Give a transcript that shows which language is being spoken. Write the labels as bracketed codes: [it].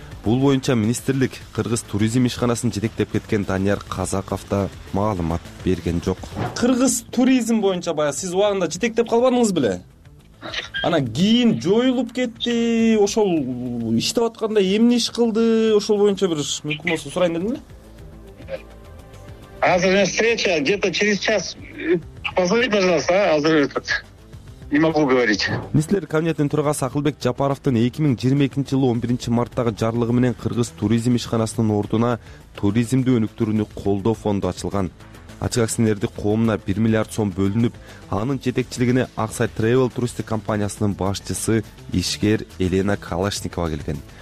[ky] Бул боюнча министрлик кыргыз туризм ишканасын жетектеп кеткен Данияр Казаков да маалымат берген жок. Кыргыз туризм боюнча бая сиз убагында жетектеп калбадыңыз беле? Анан кийин жоюлуп кетти. Ошол иштеп атканда эмне иш кылды? Ошол боюнча бир мүмкүн болсо сурайын дедимби? [ru] Азыр встреча где-то через час. Позвони, пожалуйста, азыр этот. Не могу говорить. [ky] Министрлер кабинетинин төрагасы Акылбек Жапаровдун 2022 жылы 11 марттагы жарлыгы менен кыргыз туризм ишканасынын ордуна туризмди өнүктүрүүнү колдоо фонду ачылган. Ачык акционерди коомуна 1 миллиард сом бөлүнүп, анын жетекчилигине Аксай Travel туристтик компаниясынын башчысы ишкер Елена Калашникова келген.